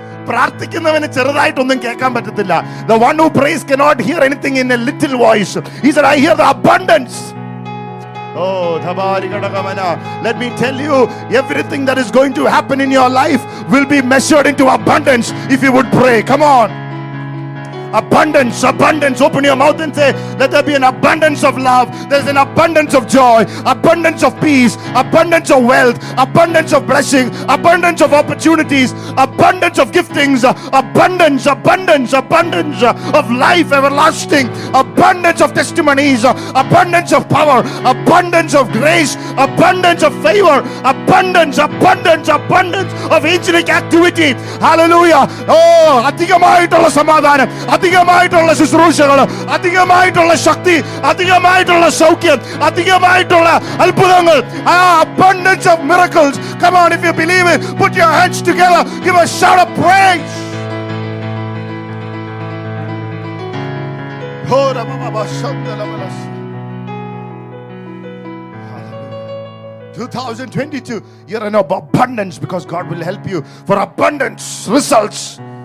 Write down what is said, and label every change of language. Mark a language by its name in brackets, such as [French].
[Malayalam] പ്രാർത്ഥിക്കുന്നവന് ചെറുതായിട്ടൊന്നും കേൾക്കാൻ പറ്റത്തില്ല. [English] The one who prays cannot hear anything in a little voice. He said I hear the abundance. Oh, Dhabari Gadagamana, let me tell you, everything that is going to happen in your life will be measured into abundance if you would pray. Come on. Abundance, abundance. Open your mouth and say, let there be an abundance of love. There's an abundance of joy, abundance of peace, abundance of wealth, abundance of blessing, abundance of opportunities, abundance of giftings, abundance, abundance, abundance of life everlasting, abundance of testimonies, abundance of power, abundance of grace, abundance of favor, abundance, abundance, abundance of angelic activity. Hallelujah. Oh, [Malayalam] adhigamayittulla samadhanam, അധികമായിട്ടുള്ള ശുശ്രൂഷകൾ, അധികമായിട്ടുള്ള ശക്തി, അധികമായിട്ടുള്ള സൗഖ്യം, അധികമായിട്ടുള്ള അത്ഭുതങ്ങൾ. [English] Abundance of miracles. Come on, if you believe it, put your hands together, give a shout of praise. Hallelujah. 2022, you're in abundance because God will help you for abundance results.